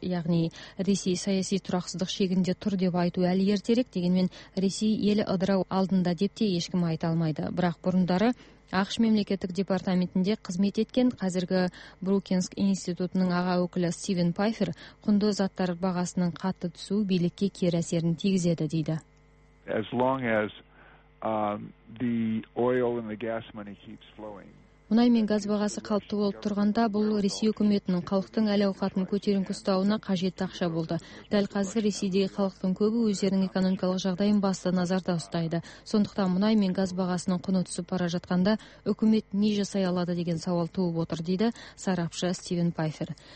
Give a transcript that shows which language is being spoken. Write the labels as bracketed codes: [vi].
[kk] Яғни Ресей саяси тұрақсыздық шегінде тұр деп айту әлі ертерек, дегенмен Ресей елі ыдырау алдында деп те ешкім айта алмайды. Бірақ бұрындары АҚШ мемлекеттік департаментінде қызмет еткен қазіргі Брукинск институтының аға өкілі Стивен Пайфер құнды заттар бағасының қатты түсуі билікке кері әсерін тигізеді дейді. [en] As long as the oil and the gas money keeps flowing. [kk] Мұнай мен газ бағасы қалыпты болып тұрғанда, бұл Ресей үкіметінің халықтың әл-ауқатын көтеріңкі ұстауына қажетті ақша болды. Дәл қазір Ресейдегі халықтың көбі өздерінің экономикалық жағдайын басты назарда ұстайды. Сондықтан мұнай мен газ бағасының құны түсіп бара жатқанда, үкімет не жасай алады деген сауал туып отыр, дейді сарапшы Стивен Пайфер.